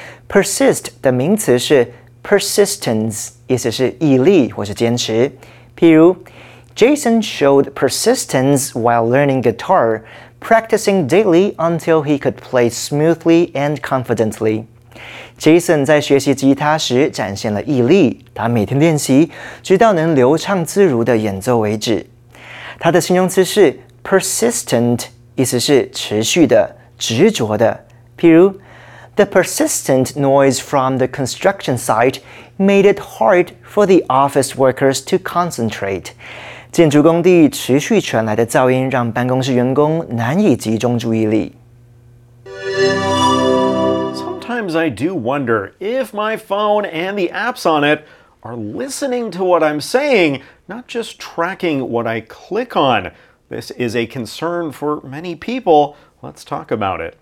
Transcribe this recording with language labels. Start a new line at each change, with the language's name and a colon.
Chinese: Persist 的名词是 persistence, 意思是毅力或是坚持。譬如
English: Jason showed persistence while learning guitar, practicing daily until he could play smoothly and confidently.
Chinese: Jason 在学习吉他时展现了毅力，他每天练习，直到能流畅自如的演奏为止。他的形容词是 persistent, 意思是持续的、执着的。譬如
English: The persistent noise from the construction site made it hard for the office workers to concentrate.
Chinese: 建筑工地持续传来的噪音让办公室员工难以集中注意力。
English: Sometimes I do wonder if my phone and the apps on it are listening to what I'm saying, not just tracking what I click on. This is a concern for many people. Let's talk about it.